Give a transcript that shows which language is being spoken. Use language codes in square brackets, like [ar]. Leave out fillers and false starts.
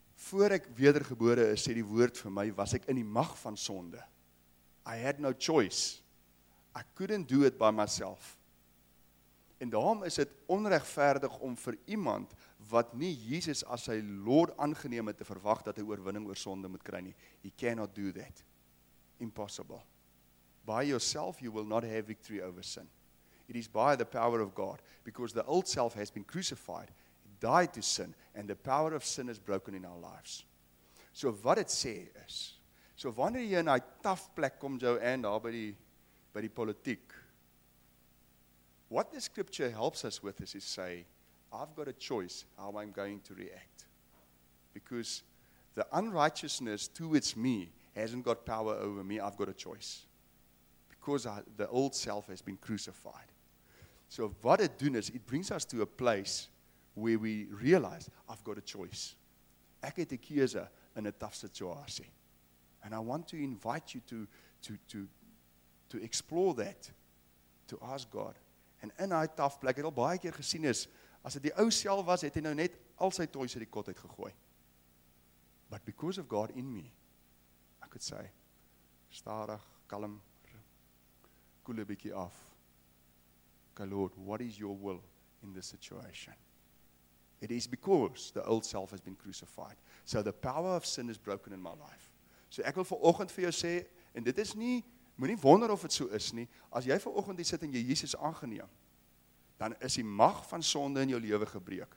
[af] Voor ek wedergebore is, sê die woord vir my, was ek in die mag van sonde. [en] I had no choice. I couldn't do it by myself. [af] En daarom is het onregverdig om vir iemand wat nie Jesus as sy Lord aangeneem het te verwag dat hy oorwinning oor sonde moet kry nie. [en] He cannot do that. Impossible. By yourself you will not have victory over sin. It is by the power of God, because the old self has been crucified, died to sin, and the power of sin is broken in our lives. [af] So wat het sê is, so wanneer jy in die tough plek kom, Joanne, daar by die politiek, [en] what the scripture helps us with is to say, I've got a choice how I'm going to react. Because the unrighteousness towards me hasn't got power over me. I've got a choice. because the old self has been crucified. So what it does is it brings us to a place where we realize, I've got a choice. [af] Ek het 'n keuse in 'n tough situasie. [en] And I want to invite you to explore that, to ask God. [af] And in daai tough plek, het al baie keer gesien is, as dit die ou self was, het hy nou net al sy toys uit die kot uitgegooi. [en] But because of God in me, I could say, [af] stadig, kalm, koel 'n bietjie af. [en] Okay, Lord, what is your will in this situation? It is because the old self has been crucified. So the power of sin is broken in my life. [af] So ek wil vanoggend vir jou sê, en dit is nie, moenie wonder of dit so is nie, as jy vanoggend hier sit en jy Jesus aangeneem, dan is die mag van sonde in jou lewe gebreek.